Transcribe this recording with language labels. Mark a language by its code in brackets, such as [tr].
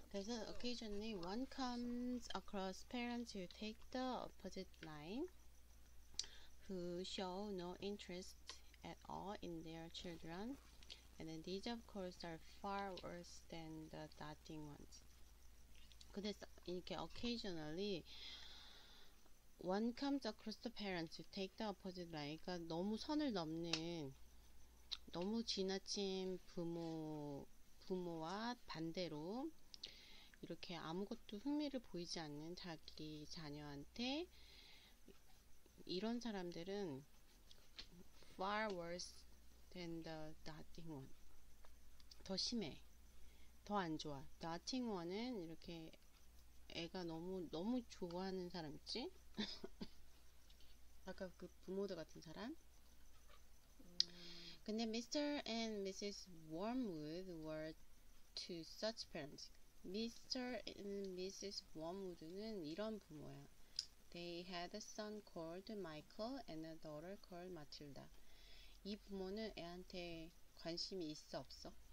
[ko] 그래서 [en] occasionally one comes across parents who take the opposite line, who show no interest at all in their children, and then these of course are far worse than the doting ones. [ko] 근데 이렇게 [en] occasionally one comes across the parents who take the opposite line. [ko] 그러니까 너무 선을 넘는, 너무 지나친 부모와 반대로. 이렇게 아무것도 흥미를 보이지 않는 자기 자녀한테 이런 사람들은 [en] far worse than the nothing one. [ko] 더 심해. 더 안 좋아. nothing one은 이렇게 애가 너무 너무 좋아하는 사람 있지? 아까 그 부모들 같은 사람. 근데 [en] Mr. and Mrs. Wormwood were to such parents. Mr. and Mrs. [ko] Wormwood는 이런 부모야. [en] They had a son called Michael and a daughter called Matilda. [ko] 이 부모는 애한테 관심이 있어 없어?